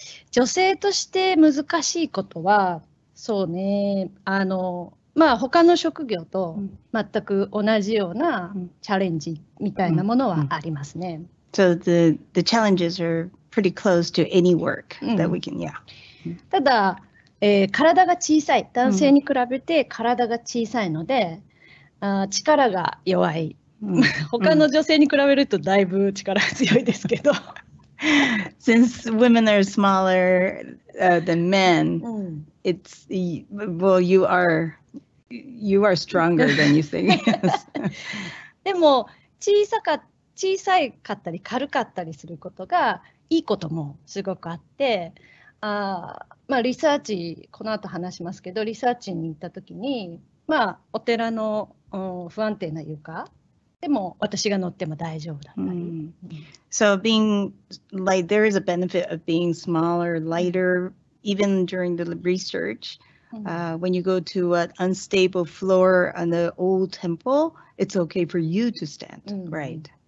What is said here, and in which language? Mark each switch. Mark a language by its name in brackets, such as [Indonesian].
[Japanese] 女性として難しいことは、そうね、あの、まあ他の職業と全く同じようなチャレンジみたいなものはありますね。 [English] So the challenges are pretty close to any work that we can, yeah. [Japanese] ただ、体が小さい、男性に比べて体が小さいので、力が弱い。他の女性に比べるとだいぶ力強いですけど。 [English] Since women are smaller than men, it's well, you are stronger than you think. [Japanese] でも小さかったり軽かったりすることがいいこともすごくあって、まあリサーチこの後話しますけど、リサーチに行った時に、まあお寺の不安定な床。でも私が乗っても大丈夫だったり。 [English] So being like there is a benefit of being smaller, lighter, even during the research. When you go to an unstable floor on the old temple, it's okay for you to stand, right?